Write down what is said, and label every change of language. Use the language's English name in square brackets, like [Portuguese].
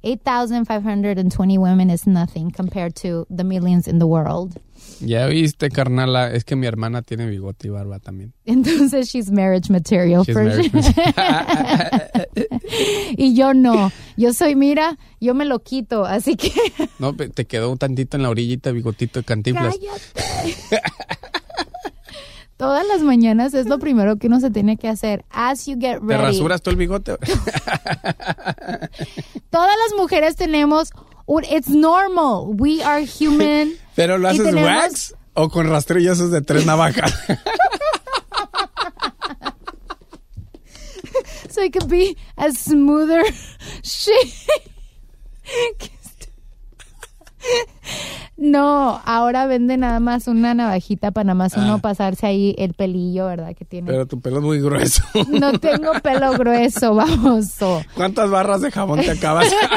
[English] 8,520 women is nothing compared to the millions in the world. [Spanish] Ya viste, carnala, es que mi hermana tiene bigote y barba también. [English] Entonces she's marriage material. She's for marriage sure. [Spanish] Y yo no. Yo soy, mira, yo me lo quito, así que... No, te quedó un tantito en la orillita, bigotito de Cantinflas. ¡Cállate! Todas las mañanas es lo primero que uno se tiene que hacer. [English] As you get ready. [Spanish] ¿Te rasuras tú el bigote? Todas las mujeres tenemos... [English] It's normal. We are human. [Spanish] ¿Pero lo haces tenemos... wax o con rastrillos de tres navajas? [English] So it could be a smoother shape. [Spanish] No, ahora vende nada más una navajita para nada más uno pasarse ahí el pelillo, ¿verdad? Que tiene. Pero tu pelo es muy grueso. No tengo pelo grueso, vamos. ¿Cuántas barras de jabón te acabas?